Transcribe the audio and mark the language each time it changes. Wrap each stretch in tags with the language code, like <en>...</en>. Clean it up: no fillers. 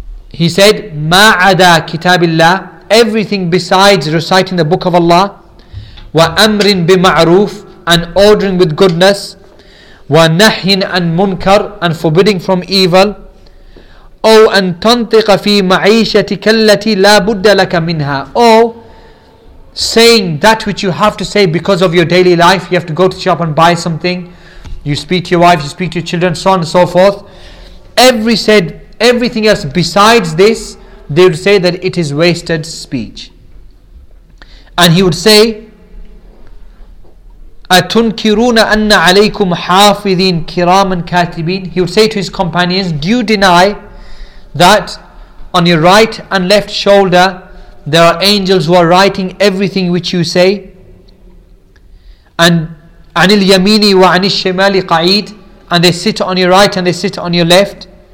<en>He said,</en> <ar>مَا عَدَى كِتَابِ اللَّهِ,</ar> <en>everything besides reciting the book of Allah,</en> <ar>وَأَمْرٍ بِمَعْرُوفٍ,</ar> <en>and ordering with goodness,</en> <ar>وَنَحْيٍ عَنْ مُنْكَرٍ,</ar> <en>and forbidding from evil,</en> <ar>أَوْ أَنْ تَنْطِقَ فِي مَعِيشَتِكَ الَّتِي لَا بُدَّ لَكَ مِنْهَا,</ar> <en>or saying that which you have to say because of your daily life. You have to go to the shop and buy something, you speak to your wife, you speak to your children, so on and so forth. Everything else besides this, they would say that it is wasted speech. And he would say,</en> <ar>أَتُنْكِرُونَ أَنَّ عَلَيْكُمْ حَافِذِينَ كِرَامًا كَاتِبِينَ.</ar> <en>He would say to his companions, do you deny that on your right and left shoulder there are angels who are writing everything which you say? And</en> <ar>عَنِ الْيَمِينِ وَعَنِ الشَّمَالِ قَعِيدٍ,</ar> <en>and they sit on your right and they sit on your left.</en>